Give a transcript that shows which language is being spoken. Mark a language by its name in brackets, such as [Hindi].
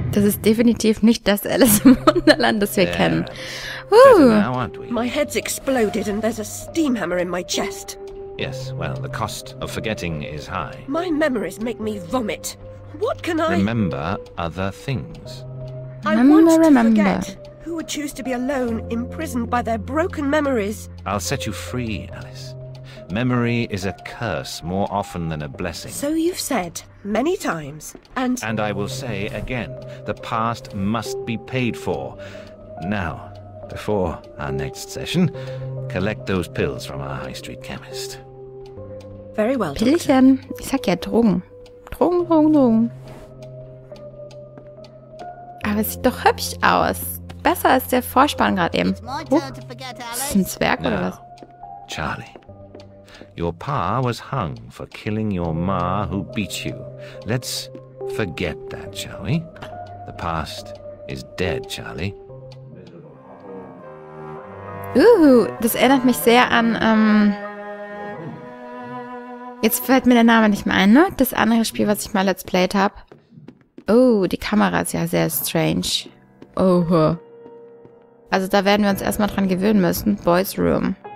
[German] ist definitiv nicht das Alice im Wunderland, das wir kennen. [English] Now, aren't we? My head's exploded and there's a steam hammer in my chest. Yes, well, the cost of forgetting is high. My memories make me vomit. What can I... Remember other things. I want to forget. Who would choose to be alone, imprisoned by their broken memories? I'll set you free, Alice. Memory is a curse more often than a blessing. So you've said many times, and... And I will say again, the past must be paid for. Now, before our next session, collect those pills from our high street chemist. Very well, Doctor. [German] Pillchen. Ich sag ja, Drogen. Drogen, Drogen, Drogen. Aber es sieht doch hübsch aus. Besser als der Vorspann gerade eben. Das ist ein Zwerg oder was? [English] Charlie, your pa was hung for killing your ma who beat you. Let's forget that, shall we? The past is dead, Charlie. [German] Das erinnert mich sehr an, jetzt fällt mir der Name nicht mehr ein, ne? Das andere Spiel, was ich mal let's played habe. Oh, die Kamera ist ja sehr strange. Oh, also da werden wir uns erstmal dran gewöhnen müssen. [English] Boys Room.